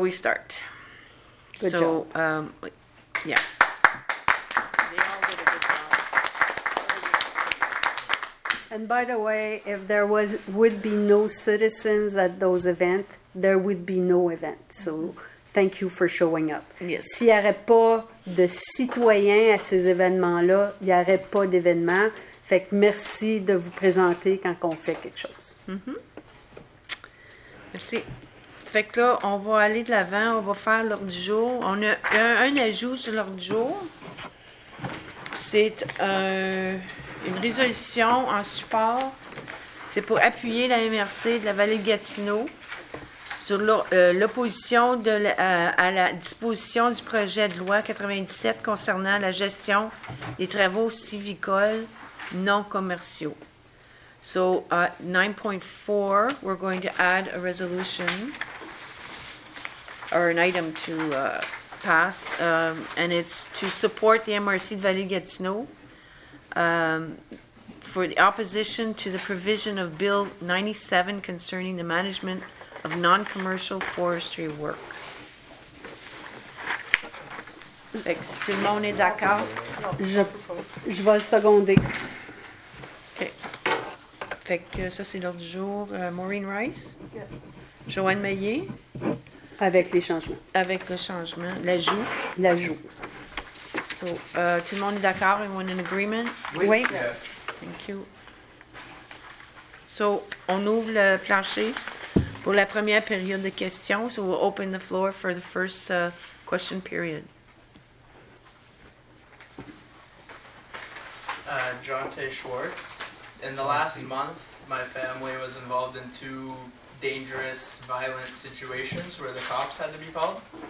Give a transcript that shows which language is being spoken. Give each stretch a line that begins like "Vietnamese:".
English: We start. Good so, job. Yeah. And by the way, if there would be no citizens at those events, there would be no event. So, thank you for showing up. Yes.
French: S'il n'y aurait pas de citoyens à ces événements-là, il n'y aurait pas d'événement. Fait que merci de vous présenter quand on fait quelque chose. Mm-hmm. Merci. Fait que là, on va aller de l'avant. On va faire l'ordre du jour. On a un ajout sur l'ordre du jour. C'est une résolution en support, c'est pour appuyer la MRC de la vallée de Gatineau sur l'opposition à la disposition du projet de loi 97 concernant la gestion des travaux civicoles non commerciaux.
English: So, 9.4, we're going to add a resolution or an item to pass, and it's to support the MRC de vallée de Gatineau. For the opposition to the provision of Bill 97 concerning the management of non-commercial forestry work.
French: Fait que si tout le monde est d'accord, je vais le seconder. OK. Fait que ça, c'est l'ordre du jour. Maureen Rice. Yes. Joanne Maillet. Avec les changements. Avec le changement. L'ajout. L'ajout. So, tout le monde est d'accord?
English: Everyone in agreement?
French: Oui.
English: Yes. Thank you.
French: So, on ouvre le plancher pour la première période de questions.
English: So, we'll open the floor for the first question period. Jonte Schwartz. In the last month, my family was involved in two dangerous, violent situations where the cops had to be called.